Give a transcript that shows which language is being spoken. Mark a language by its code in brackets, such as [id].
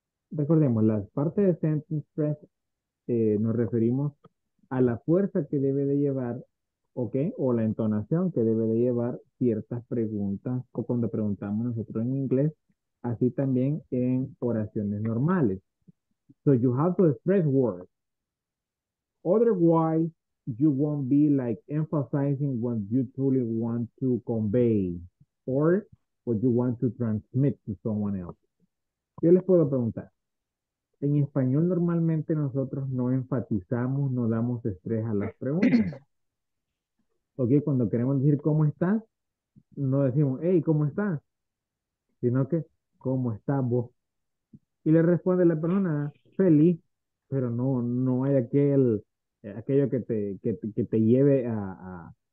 [es] Recordemos, la parte de sentence stress nos referimos a la fuerza que debe de llevar, ¿ok? O la entonación que debe de llevar ciertas preguntas o cuando preguntamos nosotros en inglés, así también en oraciones normales. [en] So you have to stress words. Otherwise, you won't be like emphasizing what you truly want to convey or what you want to transmit to someone else. [es] Yo les puedo preguntar. En español normalmente nosotros no enfatizamos, no damos estrés a las preguntas. Ok, cuando queremos decir cómo estás, no decimos, hey, ¿cómo estás? Sino que, ¿cómo estás vos? Y le responde la persona, feliz, pero no hay aquello que te lleve a